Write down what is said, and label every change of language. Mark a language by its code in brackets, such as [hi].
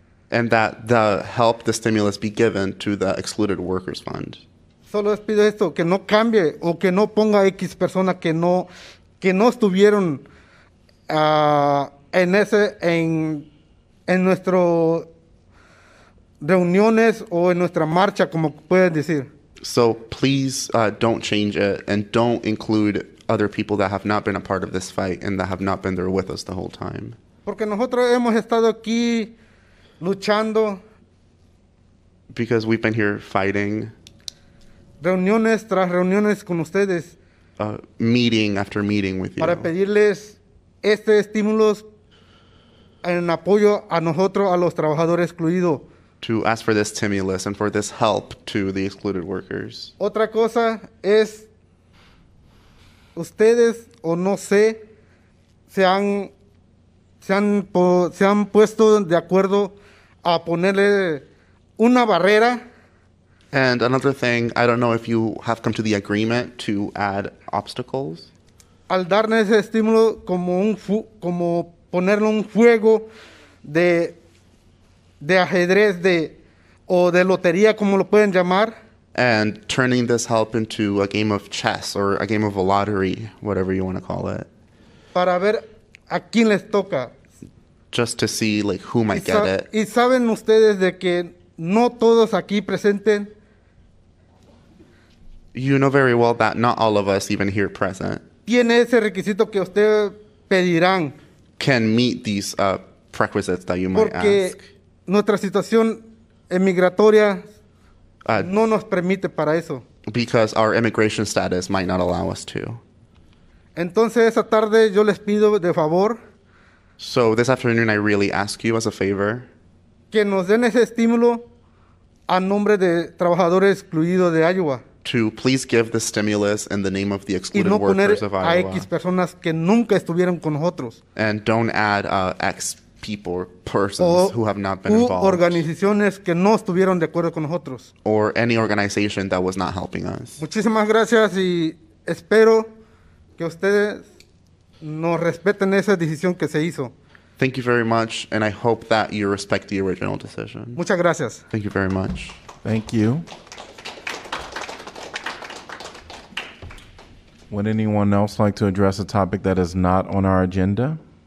[en] And that the help, the stimulus be given to the excluded workers fund. [es] Solo les pido esto, que no cambie o que no ponga X persona que no estuvieron en nuestro reuniones o en nuestra marcha, como pueden decir. [en] So please don't change it and don't include other people that have not been a part of this fight and that have not been there with us the whole time. [es] Porque nosotros hemos estado aquí luchando. [en] Because we've been here fighting. [es] Reuniones tras reuniones con ustedes. [en] Meeting after meeting with you. [es] Para pedirles este estímulo en apoyo a nosotros, a los trabajadores excluidos. [en] To ask for this stimulus and for this help to the excluded workers. [es] Otra cosa es, ustedes o no sé, se han puesto de acuerdo a ponerle una barrera. [en] And another thing, I don't know if you have come to the agreement to add obstacles. [es] Al darle ese estímulo como ponerle un juego de ajedrez de lotería, como lo pueden llamar. [en] And turning this help into a game of chess or a game of a lottery, whatever you want to call it. [es] Para ver a quién les toca. [en] Just to see like who might get it. [es] Y saben ustedes de que no todos aquí presenten. [en] You know very well that not all of us even here present. [es] Tiene ese requisito que ustedes pedirán. [en] Can meet these prerequisites that you [es] porque [en] might ask. [es] Nuestra situación emigratoria no nos permite para eso. [en] Because our immigration status might not allow us to. [es] Entonces, esa tarde yo les pido de favor. [en] So this afternoon, I really ask you as a favor. [es] Que nos den ese estímulo a nombre de trabajadores excluidos de Iowa. [en] To please give the stimulus in the name of the excluded no workers of Iowa. [es] Y no poner a X personas que nunca estuvieron con nosotros. [en] And don't add X people or persons who have not been involved. [es] Organizaciones que no estuvieron de acuerdo con nosotros. [en] Or any organization that was not helping us. [es] Muchísimas gracias y espero que ustedes nos respeten esa decisión que se hizo. [en] Thank you very much, and I hope that you respect the original decision. [es] Muchas gracias. [en] Thank you very much. Thank you. Would anyone else like to address a topic that is not on our agenda?